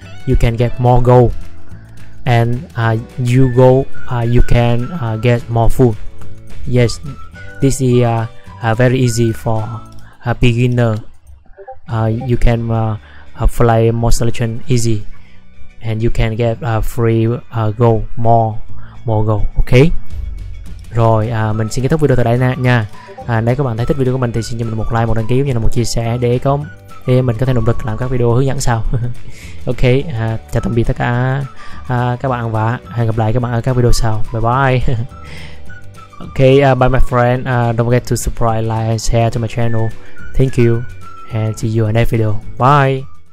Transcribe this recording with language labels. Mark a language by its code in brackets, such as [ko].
[en] you can get more gold, and you go, you can get more food. Yes, this is very easy for a beginner. You can fly more selection easy, and you can get free gold, more gold. Okay. [vi] Rồi, mình xin kết thúc video tại đây nha. Nếu các bạn thấy thích video của mình thì xin cho mình một like, một đăng ký cũng như là một chia sẻ để có để mình có thể động lực làm các video hướng dẫn sau. Ok, chào tạm biệt tất cả các bạn và hẹn gặp lại các bạn ở các video sau. [en] Bye bye. Ok, bye my friend. Don't forget to subscribe, like and share to my channel. Thank you and see you in the next video. Bye.